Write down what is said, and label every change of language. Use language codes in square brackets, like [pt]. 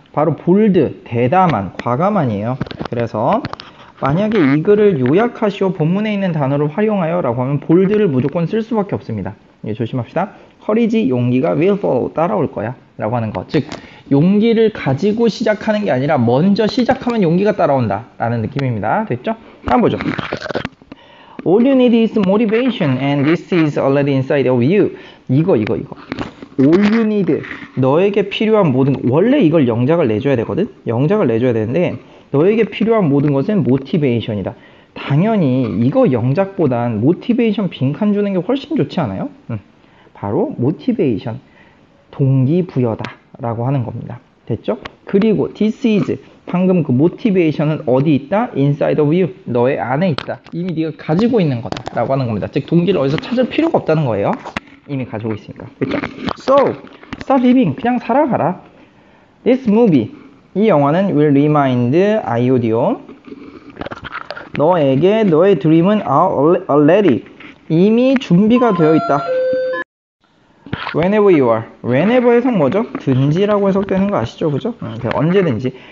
[ko] 바로 bold, 대담한, 과감한이에요. 그래서 만약에 이 글을 요약하시오, 본문에 있는 단어를 활용하여 라고 하면 bold를 무조건 쓸 수밖에 없습니다. 예, 조심합시다. courage, 용기가 [en] will follow, [ko] 따라올 거야 라고 하는 거. 즉, 용기를 가지고 시작하는 게 아니라 먼저 시작하면 용기가 따라온다 라는 느낌입니다. 됐죠? 한번 보죠. [en] All you need is motivation and this is already inside of you. [ko] 이거. [en] All you need, [ko] 너에게 필요한 모든, 원래 이걸 영작을 내줘야 되거든? 영작을 내줘야 되는데 너에게 필요한 모든 것은 모티베이션이다. 당연히 이거 영작보단 모티베이션 빈칸 주는 게 훨씬 좋지 않아요? 바로 모티베이션, 동기부여다 라고 하는 겁니다. 됐죠? 그리고 [en] this is, [ko] 방금 그 모티베이션은 어디 있다? [en] inside of you, [ko] 너의 안에 있다. 이미 네가 가지고 있는 거다 라고 하는 겁니다. 즉 동기를 어디서 찾을 필요가 없다는 거예요. 이미 가지고 있으니까. 됐죠? [en] So, start living, [ko] 그냥 살아가라. [en] This movie, [ko] 이 영화는 [en] will remind [ko] IODO 너에게 너의 드림은 already, 이미 준비가 되어 있다. [en] Whenever you are. [ko] Whenever 해석 뭐죠? 든지라고 해석되는 거 아시죠? 그죠? 언제든지.